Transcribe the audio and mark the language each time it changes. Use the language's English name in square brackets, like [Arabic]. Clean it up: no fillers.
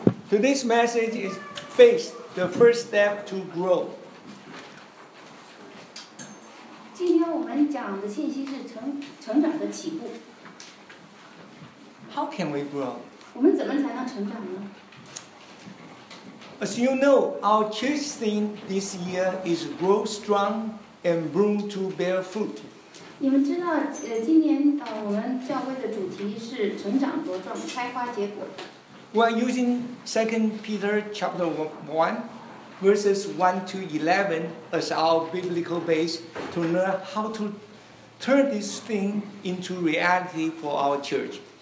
[English] Today's message is Faith, the first step to grow. [Chinese] 今天我们讲的信息是 成长的起步。 [English] How can we grow? [Chinese] 我们怎么才能成长呢？ [English] As you know, our church theme this year is grow strong and bloom to bear fruit. [Chinese] 你们知道，今年我们教会的主题是成长茁壮，开花结果。 [English] We are using 2 Peter chapter 1, verses 1 to 11 as our biblical base to learn how to turn this thing into reality for our church.